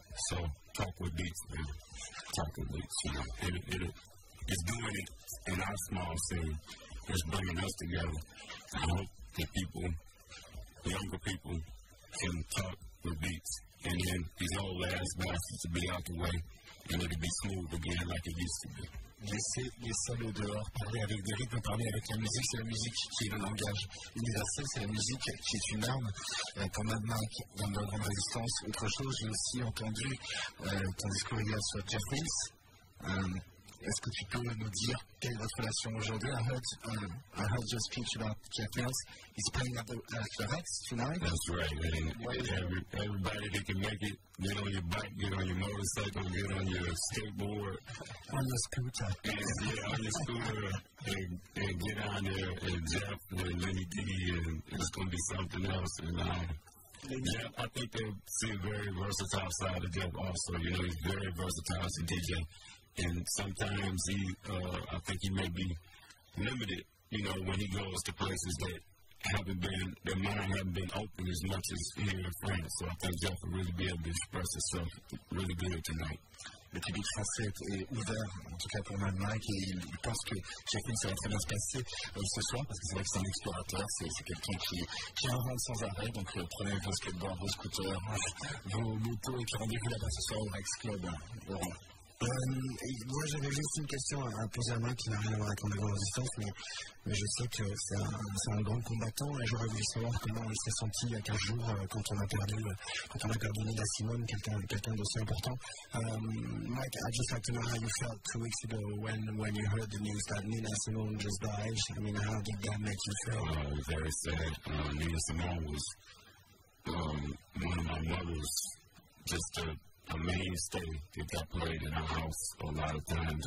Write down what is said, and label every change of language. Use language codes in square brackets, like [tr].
[en] So talk with beats, man. Talk with beats, you know. It's doing it in our small scene. It's bringing us together. I hope that people, younger people, can talk with beats. And then these old ass bastards will be out the way, and it'll be smooth again like it used to be. [fr] Laissez le dehors, parler avec des rythmes, parler avec la musique, c'est la musique qui est le langage universel, c'est la musique qui est une arme pour Mad Mike dans la grande résistance. Autre chose, j'ai aussi entendu ton discours hier sur Jeff Wills. Est-ce que tu peux nous dire quelle est votre relation aujourd'hui? [en] I heard your speech about Jeff Wills. He's playing at the Rex tonight. That's right. Everybody that can make it, get on your bike, get on your motorcycle, get on your skateboard. On your scooter. And, yeah, on your scooter. And get on there. And Jeff and Lenny D. And it's going to be something else. And I think they see a very versatile side of Jeff also. You know, he's very versatile as a DJ. And sometimes I think he may be limited, you know, when he goes to places that haven't been, their mind hasn't been open as much as here in France. So I think Jeff will really be able to express himself really good tonight. [fr] Le public français est ouvert, en tout cas pour Mad Mike, et il pense que Jeffrey, ça va très bien se passer ce soir, parce que c'est vrai que c'est un explorateur, c'est quelqu'un qui invente sans arrêt, donc prenez vos skateboards, vos scooters, vos motos, et puis rendez-vous là-bas ce soir au Rex Club, Laurent. Moi, j'avais juste une question à poser à Mike qui n'a rien à voir avec la grande résistance, mais je sais que c'est un grand combattant et j'aurais voulu savoir comment il s'est senti il y a 15 jours quand on a perdu Nina Simone, quelqu'un d'aussi important. [en] Mike, I'd just like to know how you felt 2 weeks ago when you heard the news that Nina Simone just died. I mean, how did that make you feel? Very sad. Nina Simone was one of my mother's just a mainstay that got played in our house a lot of times.